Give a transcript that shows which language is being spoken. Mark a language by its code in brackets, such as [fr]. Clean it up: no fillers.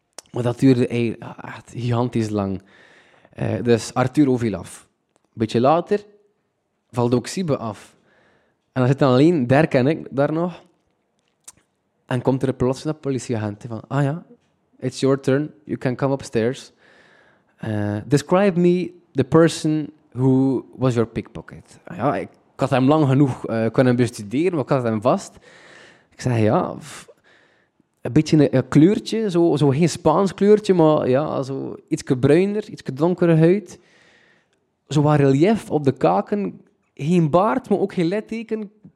[nl] Maar dat duurde echt gigantisch lang. Dus Arthur viel af. Een beetje later valde ook Sibbe af. En dan zit dan alleen Dirk en ik daar nog. En komt er plots een politieagent van... [en] Ah ja, it's your turn. You can come upstairs. Describe me the person who was your pickpocket. [nl] Ik had hem lang genoeg kunnen bestuderen, maar ik had hem vast. Ik zei, ja... Een beetje een kleurtje, zo geen Spaans kleurtje, maar ja, zo iets bruiner, iets donkere huid. Zo wat relief op de kaken... Geen baard, maar ook geen litteken.